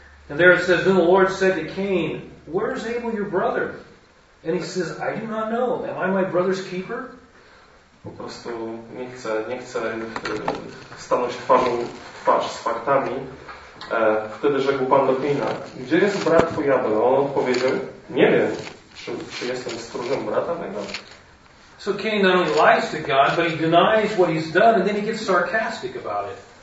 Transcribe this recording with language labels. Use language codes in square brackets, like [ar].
[en] And there it says, then the Lord said to Cain, where is Abel your brother? And he says, I do not know. Am I my brother's keeper? [pl] Po prostu nie chcę stanąć twarzą w twarz z faktami. Wtedy rzekł Pan do Kaina, gdzie jest brat twój Abel? On odpowiedział, nie wiem, czy jestem stróżem brata mego. [en] So Cain not only lies to God, but he denies what he's done and then he gets sarcastic about it.